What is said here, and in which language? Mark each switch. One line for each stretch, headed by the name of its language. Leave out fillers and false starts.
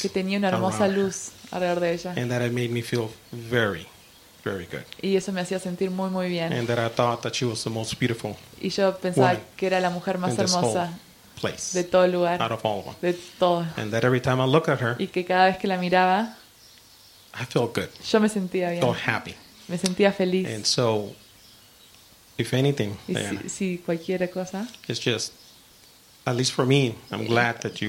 Spanish: Que tenía una hermosa luz alrededor de ella.
English: And that it made me feel very, very good.
Spanish: Y eso me hacía sentir muy, muy bien.
English: And that I thought that she was the most beautiful.
Spanish: Y yo pensaba que era la mujer más hermosa.
English: Place.
Spanish: De todo lugar.
English: Out of all of them.
Spanish: De todo.
English: And that every time I look at her.
Spanish: Y que cada vez que la miraba.
English: I felt good.
Spanish: Yo me sentía bien.
English: Felt happy.
Spanish: Me sentía feliz.
English: And so, if anything,
Spanish: si cualquier cosa.
English: It's just, at least for me, I'm glad that you